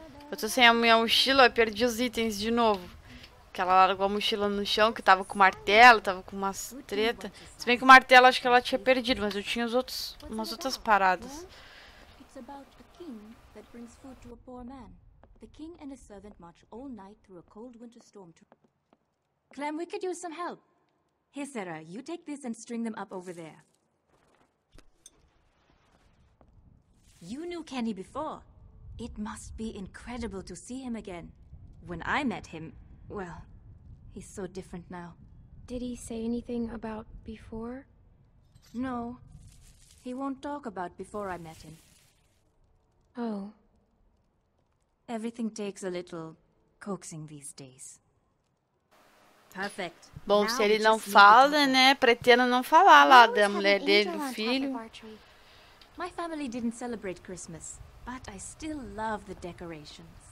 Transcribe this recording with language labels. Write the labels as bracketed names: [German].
[Portuguese] Eu tô sem a minha mochila, eu perdi os itens de novo. Que ela largou a mochila no chão, que tava com martelo, tava com umas treta. Se bem que o martelo acho que ela tinha perdido, mas eu tinha os outros, umas outras paradas. [English] The king and his servant march all night through a cold winter storm to... Clem, we could use some help. Here, Sarah, you take this and string them up over there. You knew Kenny before. It must be incredible to see him again. When I met him, well, he's so different now. Did he say anything about before? No. He won't talk about before I met him. Oh. Everything takes a little coaxing these days. Perfect. [Portuguese] Bom, se ele não fala, né? Pretendo não falar lá da mulher dele, do filho. [English] My family didn't celebrate Christmas, but I still love the decorations.